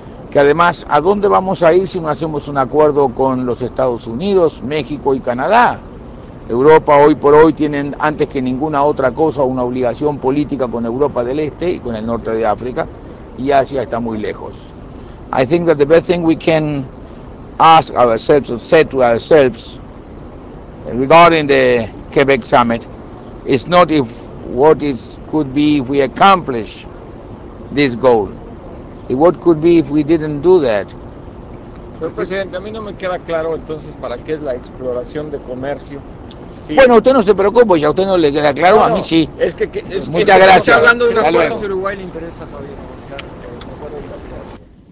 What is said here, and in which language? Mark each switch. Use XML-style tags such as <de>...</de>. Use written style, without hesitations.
<es>Que además, ¿a dónde vamos a ir si no hacemos un acuerdo con los Estados Unidos, México y Canadá? Europa hoy por hoy tienen, antes que ninguna otra cosa, una obligación política con Europa del Este y con el norte de África, y Asia está muy lejos.</es> <en>I think that the best thing we can ask ourselves or say to ourselves regarding the Quebec summit is not if what it could be if we accomplish this goal. It what could be if we didn't do that.</en> <es>Señor presidente, a mí no me queda claro entonces para qué es la exploración de comercio. Sí. Bueno, usted no se preocupe, ya usted no le queda claro, no, a mí sí. Es que muchas gracias. Hablando de un acuerdo, Uruguay le interesa todavía negociar.</es>